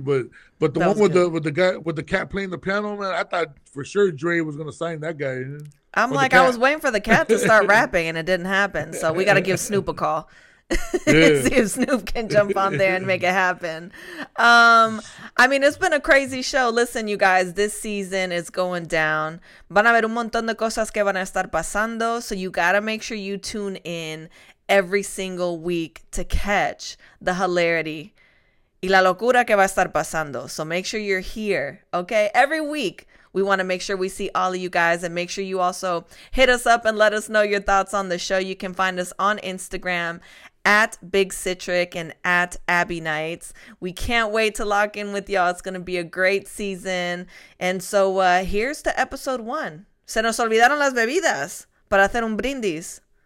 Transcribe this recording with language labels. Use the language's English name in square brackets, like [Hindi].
[English] But the that one with good. the guy with the cat playing the piano, man, I thought for sure Dre was gonna sign that guy. I'm like, I was waiting for the cat to start rapping, and it didn't happen. So we gotta give Snoop a call. Yeah. See if Snoop can jump on there and make it happen. I mean, it's been a crazy show. Listen, you guys, this season is going down. [Spanish] Van a ver un montón de cosas que van a estar pasando. [English] So you gotta make sure you tune in every single week to catch the hilarity [Spanish] y la locura que va a estar pasando. [English] So make sure you're here, okay? Every week. We want to make sure we see all of you guys, and make sure you also hit us up and let us know your thoughts on the show. You can find us on Instagram at Big Citric and at Abby Nights. We can't wait to lock in with y'all. It's going to be a great season. And so here's to episode one. [Spanish] Se nos olvidaron las bebidas para hacer un brindis.